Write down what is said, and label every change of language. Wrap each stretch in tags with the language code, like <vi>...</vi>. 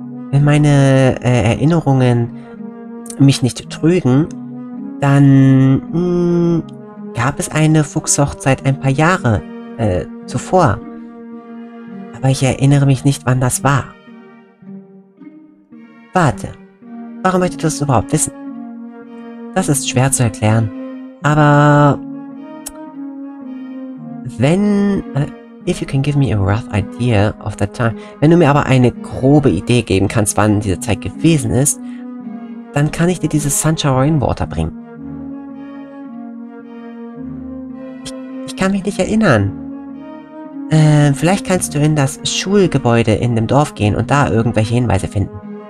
<de>Wenn meine Erinnerungen mich nicht trügen, dann gab es eine Fuchshochzeit ein paar Jahre zuvor. Aber ich erinnere mich nicht, wann das war. Warte, warum möchtest du das überhaupt wissen? Das ist schwer zu erklären. Aber wenn...</de> <en>if you can give me a rough idea of that time...</en> <de>Wenn du mir aber eine grobe Idee geben kannst, wann diese Zeit gewesen ist, dann kann ich dir dieses</de> <en>Sunshower in Water</en> <de>bringen. Ich kann mich nicht erinnern. Vielleicht kannst du in das Schulgebäude in dem Dorf gehen und da irgendwelche Hinweise finden.</de>